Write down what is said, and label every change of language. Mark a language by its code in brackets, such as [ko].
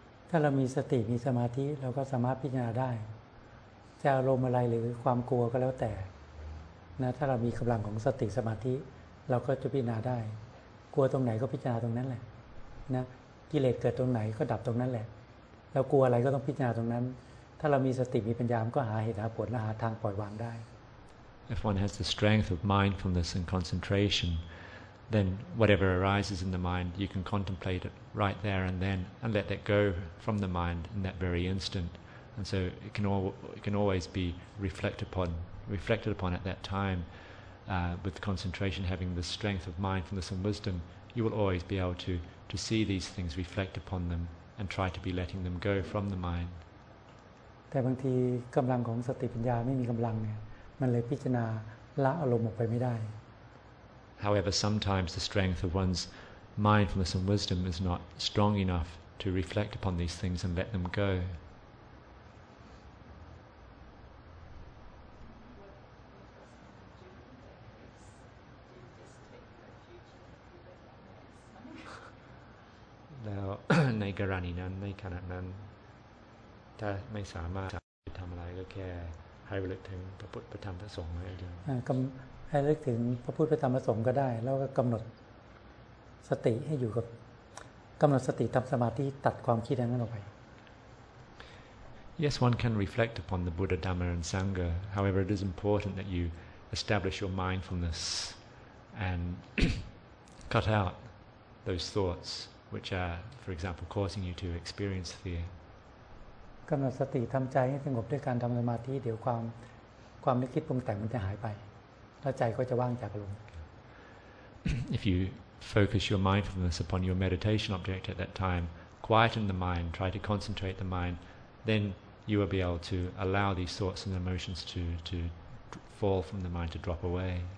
[th] ถ้าเรามีสติมีสมาธิเราก็สามารถพิจารณาได้จะอารมณ์อะไรหรือความกลัวก็แล้วแต่นะถ้าเรามีกำลังของสติสมาธิ เราก็จะพิจารณาได้กลัวตรงไหนก็พิจารณาตรงนั้นแหละนะกิเลสเกิดตรงไหนก็ดับตรงนั้นแหละเรากลัวอะไรก็ต้องพิจารณาตรงนั้นถ้าเรามีสติมีปัญญามันก็หาเหตุหาผลและหาทางปล่อยวางได้ [en] If one has the strength of mindfulness and concentration then whatever arises in the mind you can contemplate it right there and then and let that go from the mind in that very instant and so it can always be reflected upon at that timewith concentration having the strength of mindfulness and wisdom you will always be able to see these things reflect upon them and try to be letting them go from the mind [th] แต่บางทีกำลังของสติปัญญาไม่มีกำลังเนี่ยมันเลยพิจารณาละอารมณ์ออกไปไม่ได้ [en] However sometimes the strength of one's mindfulness and wisdom is not strong enough to reflect upon these things and let them go [th] แล้วในกรณีนั้นในขณะนั้นถ้าไม่สามารถทำอะไรก็แค่ให้ระลึกถึงพระพุทธพระธรรมพระสงฆ์ได้เดียว ให้ระลึกถึงพระพุทธพระธรรมพระสงฆ์ก็ได้แล้วก็กำหนดสติให้อยู่กับกำหนดสติทำสมาธิตัดความคิดนั้นออกไป [en] Yes one can reflect upon the Buddha Dhamma and Sangha however it is important that you establish your mindfulness and cut out those thoughtswhich are, for example, causing you to experience fear. [th] กำหนดสติทำใจให้สงบด้วยการทำสมาธิเดี๋ยวความนึกคิดปรุงแต่งมันจะหายไปแล้วใจก็จะว่างจากอารมณ์ [en] If you focus your mindfulness upon your meditation object at that time, quieten the mind, try to concentrate the mind, then you will be able to allow these thoughts and emotions to fall from the mind, to drop away.